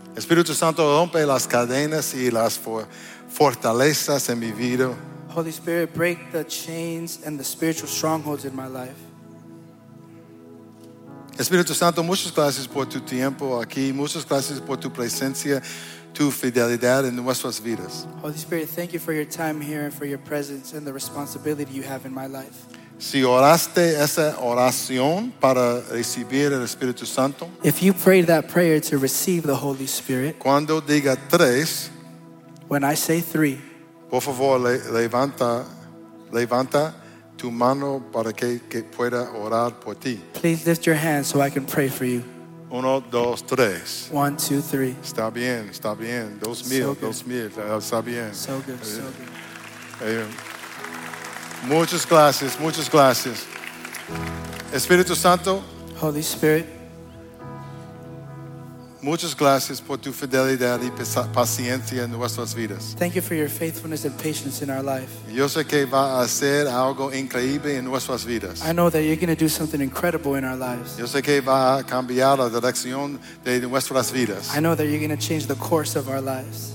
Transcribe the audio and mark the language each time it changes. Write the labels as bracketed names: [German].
[Spanish] Espíritu Santo, rompe las cadenas y las fortalezas en mi vida. [English] Holy Spirit, break the chains and the spiritual strongholds in my life. [Spanish] Espíritu Santo, muchas gracias por tu tiempo aquí. Muchas gracias por tu presencia, tu fidelidad en nuestras vidas. [English] Holy Spirit, thank you for your time here and for your presence and the responsibility you have in my life. [Spanish] Si oraste esa oración para recibir el Espíritu Santo, [English] if you prayed that prayer to receive the Holy Spirit, [Spanish] cuando diga tres, [English] when I say three, [Spanish] por favor, levanta tu mano para que pueda orar por ti. [English] Please lift your hand so I can pray for you. [Spanish] Uno, dos, tres. [English] One, two, three. [Spanish] Está bien. Dos mil. Está bien. [English] So good. [Spanish] Muchas gracias. Espíritu Santo. [English] Holy Spirit. [Spanish] Muchas gracias por tu fidelidad y paciencia en nuestras vidas. [English] Thank you for your faithfulness and patience in our life. [Spanish] Yo sé que va a hacer algo increíble en nuestras vidas. [English] I know that you're going to do something incredible in our lives. [Spanish] Yo sé que va a cambiar la dirección de nuestras vidas. [English] I know that you're going to change the course of our lives.